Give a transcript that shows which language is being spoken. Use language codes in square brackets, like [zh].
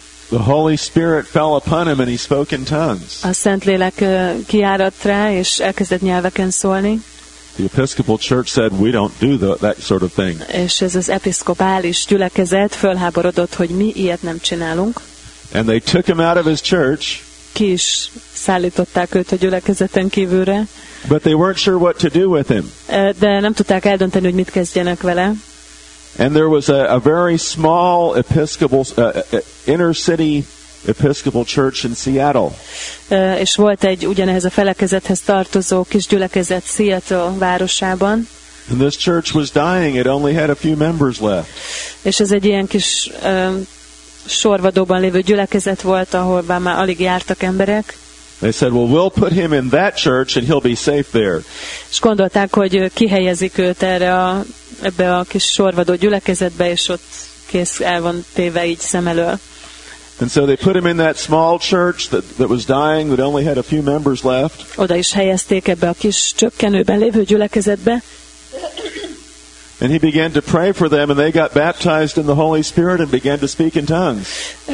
[en] The Holy Spirit fell upon him and he spoke in tongues. [hu] A Szentlélek kiáradt rá, és elkezdett nyelveken szólni. [en] The Episcopal Church said, "We don't do that sort of thing." [hu] És ez az episzkopális gyülekezet fölháborodott, hogy mi ilyet nem csinálunk. [en] And they took him out of his church. [hu] Ki is szállították őt a gyülekezeten kívülre. [en] But they weren't sure what to do with him. [hu] De nem tudták eldönteni, hogy mit kezdjenek vele. [en] And there was a very small Episcopal inner city Episcopal Church in Seattle. [hu] És volt egy ugyanehhez a felekezethez tartozó kis gyülekezet Seattle városában. [en] And this church was dying. It only had a few members left. [hu] És ez egy ilyen kis sorvadóban lévő gyülekezet volt, ahol már alig jártak emberek. [en] They said, "Well, we'll put him in that church and he'll be safe there." [hu] És gondolták, hogy kihelyezik őt ebbe a kis sorvadó gyülekezetbe, és ott kész el van téve így szem elől. [en] And so they put him in that small church that was dying, that only had a few members left. [hu] Oda is helyezték ebbe a kis csökkenőben lévő gyülekezetbe. [en] And he began to pray for them, and they got baptized in the Holy Spirit and began to speak in tongues.